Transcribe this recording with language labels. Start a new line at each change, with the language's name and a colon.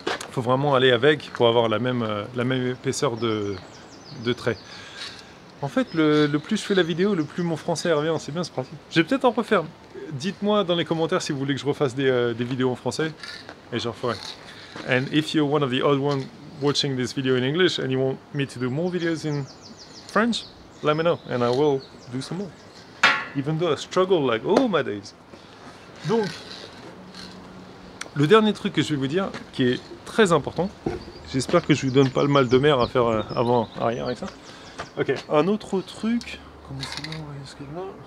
French: Faut vraiment aller avec pour avoir la même épaisseur de traits. En fait, le plus je fais la vidéo, le plus mon français revient. C'est bien, c'est pratique. Je vais peut-être en refaire. Dites-moi dans les commentaires si vous voulez que je refasse des vidéos en français. Et j'en ferai.
English: And if you're one of the odd ones watching this video in English and you want me to do more videos in French, let me know and I will do some more. Even though I struggle like, oh my days. Donc,
French: Le dernier truc que je vais vous dire, qui est très important, j'espère que je ne vous donne pas le mal de mer à faire avant arrière avec ça. Ok, un autre truc. Comment c'est là, on va voir ce qu'il y a là.